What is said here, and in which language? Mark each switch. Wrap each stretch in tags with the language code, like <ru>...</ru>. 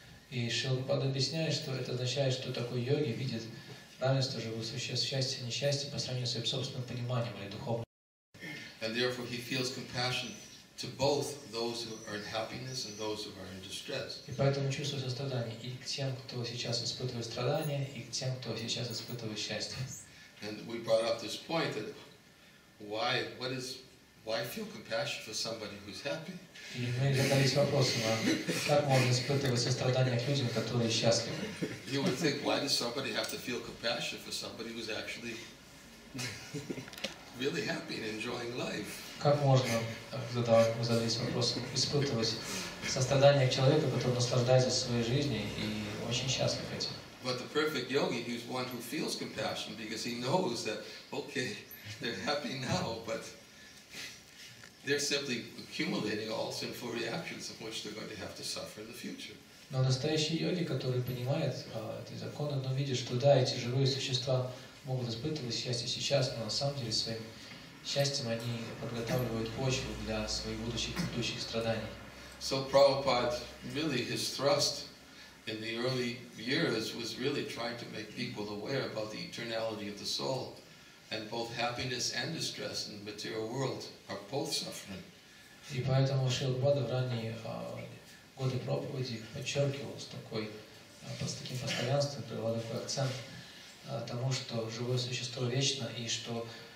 <ru>И Шрила Прабхупада объясняет, что это означает, что такой йоги видит равенство живых существ, счастье и несчастье по сравнению с своим собственным пониманием или духовным.</ru> <en>And therefore he feels compassion to both those who are in happiness and those who are in distress.</en> <ru>И поэтому чувствует сострадание и к тем, кто сейчас испытывает страдания, и к тем, кто сейчас испытывает счастье.</ru> <en>And we brought up this point that why feel compassion for somebody who's happy?</en> <ru>И мы задались вопросом, а как можно испытывать сострадание к людям, которые счастливы?</ru> <en>You would think, why does somebody have to feel compassion for somebody who's actually really happy and enjoying life?</en> <ru>Как можно, задались вопросом, испытывать сострадание к человеку, который наслаждается своей жизнью и очень счастлив этим?</ru> <en>But the perfect yogi, he's one who feels compassion because he knows that, okay, they're happy now, but they're simply accumulating all sinful reactions of which they're going to have to suffer in the future.</en> <ru>Но настоящий йоги, который понимает эти законы, но видит, что да, эти живые существа могут испытывать счастье сейчас, но на самом деле своим счастьем они подготавливают почву для своих будущих страданий.</ru> <en>So Prabhupada, really his thrust in the early years was really trying to make people aware about the eternality of the soul. And both happiness and distress in the material world are both suffering.</en> <ru>И поэтому Шрила Прабхупада в ранние годы проповеди подчеркивал с таким постоянством, привел такой акцент тому, что живое существо вечно и что,</ru>